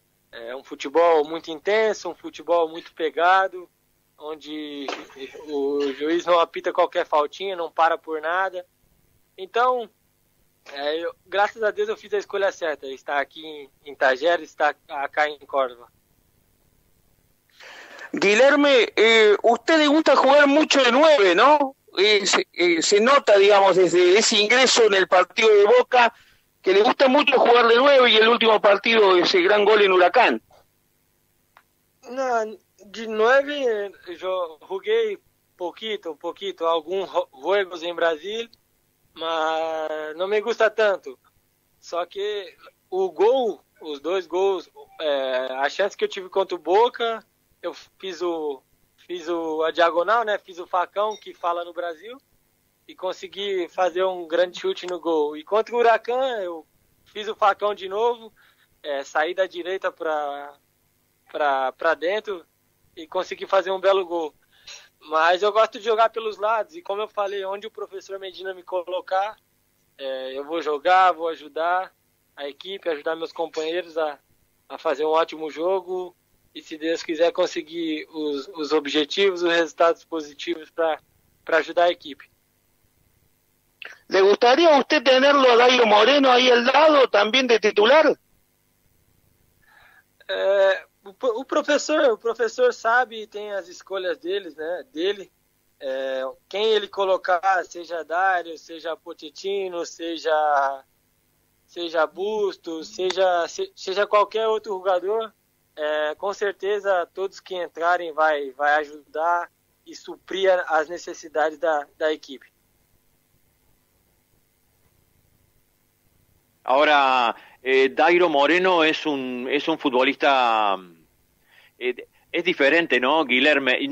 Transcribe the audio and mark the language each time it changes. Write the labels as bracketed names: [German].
[Portuguese] É um futebol muito intenso, um futebol muito pegado, onde o juiz não apita qualquer faltinha, não para por nada. Então, graças a Deus eu fiz a escolha certa, estar aqui em Itajaí, estar cá em Córdoba. [Spanish] Guilherme, usted le gusta jugar mucho de nueve, ¿no? Se nota, digamos, desde ese ingreso en el partido de Boca, que le gusta mucho jugar de nueve y el último partido, ese gran gol en Huracán. [Portuguese] Na, de 9 eu joguei pouquito, alguns jogos em Brasil, mas não [Spanish] me gusta [Portuguese] tanto. Só que o gol, os dois gols, a chance que eu tive contra o Boca, eu fiz a diagonal, né? Fiz o facão que fala no Brasil e consegui fazer um grande chute no gol. E contra o Huracán, eu fiz o facão de novo, saí da direita para dentro e consegui fazer um belo gol. Mas eu gosto de jogar pelos lados, e como eu falei, onde o professor Medina me colocar, eu vou jogar, vou ajudar a equipe, ajudar meus companheiros a fazer um ótimo jogo, e se Deus quiser conseguir os objetivos, os resultados positivos para ajudar a equipe. [Spanish] ¿Le gustaría a usted tenerlo a Dario Moreno ahí al lado también de titular? [Portuguese] O professor sabe e tem as escolhas deles, né? Dele, quem ele colocar, seja Dário, seja Pochettino, seja Bustos, seja qualquer outro jogador, com certeza todos que entrarem vai ajudar e suprir as necessidades da equipe. [Spanish] Ahora, Dairo Moreno es un futbolista, es diferente, ¿no, Guilherme?